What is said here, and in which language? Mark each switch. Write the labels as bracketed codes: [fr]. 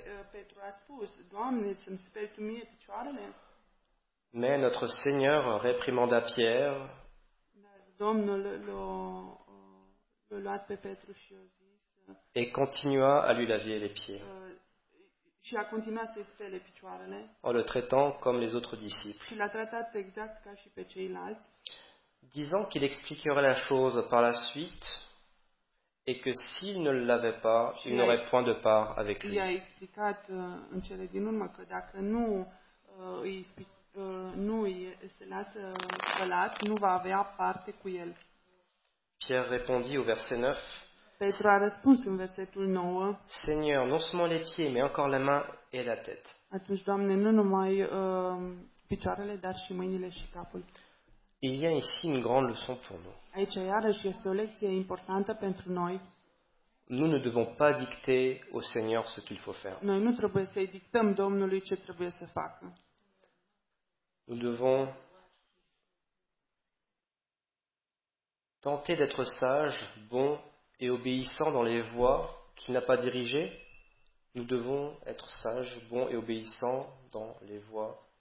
[ro] Petru a spus: Doamne, să-mi speli tu mie picioarele? [fr] Mais notre Seigneur réprimanda Pierre. [ro] Domnul l-a luat pe Petru și a zis. [fr] Et continua à lui laver les pieds. [ro] Și a continuat să-i spele picioarele. [fr] En le traitant comme les autres disciples. [ro] Și l-a tratat exact ca și pe ceilalți. [fr] Disant qu'il expliquerait la chose par la suite et que s'il ne l'avait pas, il n'aurait point de part avec lui. Il a expliqué [ro] en cele din urmă că dacă nu se lasă spălat, nu va avea parte cu el. [fr] Pierre répondit au verset 9. [ro] Petru a răspuns în versetul 9. [fr] Seigneur, non seulement les pieds, mais encore la main et la tête. [ro] Atunci, Doamne, nu numai picioarele, dar și mâinile și capul. [fr] Il y a ici une grande leçon pour nous. [ro] Aici, iarăși, este o lecție importantă pentru noi. [fr] Nous ne devons pas dicter au Seigneur ce qu'il faut faire. [ro] Noi nu trebuie să-i dictăm Domnului ce trebuie să facă. [fr] Nous devons tenter d'être sages, bons et obéissants dans les voies qu'il n'a pas dirigées. Nous devons être sages, bons et obéissants dans les voies.